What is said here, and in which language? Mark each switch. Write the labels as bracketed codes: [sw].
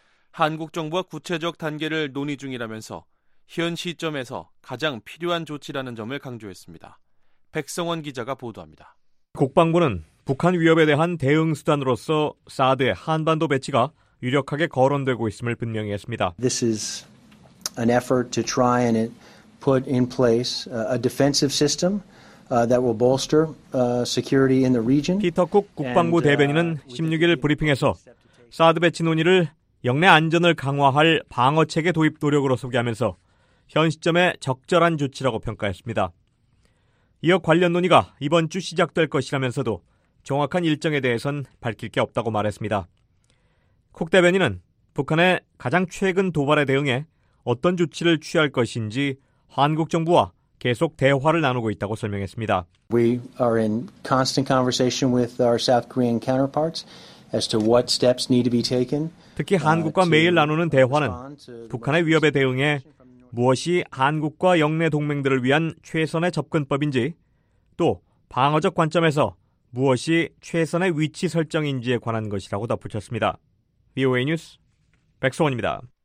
[ko] 한국 정부와 구체적 단계를 논의 중이라면서 현 시점에서 가장 필요한 조치라는 점을 강조했습니다. 백성원 기자가 보도합니다. 국방부는 북한 위협에 대한 대응 수단으로서 사드의 한반도 배치가 유력하게 거론되고 있음을 분명히 했습니다. [en] This is an effort to try and put in place a defensive system that will bolster security in the region. [ko] 피터 쿡 국방부 대변인은 16일 브리핑에서 사드 배치 논의를 영내 안전을 강화할 방어 체계 도입 노력으로 소개하면서 현 시점에 적절한 조치라고 평가했습니다. 이어 관련 논의가 이번 주 시작될 것이라면서도 정확한 일정에 대해선 밝힐 게 없다고 말했습니다. 쿡 대변인은 북한의 가장 최근 도발에 대응해 어떤 조치를 취할 것인지 한국 정부와 계속 대화를 나누고 있다고 설명했습니다. [en] We are in constant conversation with our South Korean counterparts as to what steps need to be taken. [ko] 특히 한국과 매일 나누는 대화는 북한의 위협에 대응해 무엇이 한국과 영내 동맹들을 위한 최선의 접근법인지 또 방어적 관점에서 무엇이 최선의 위치 설정인지에 관한 것이라고 덧붙였습니다. VOA 뉴스 백성원입니다.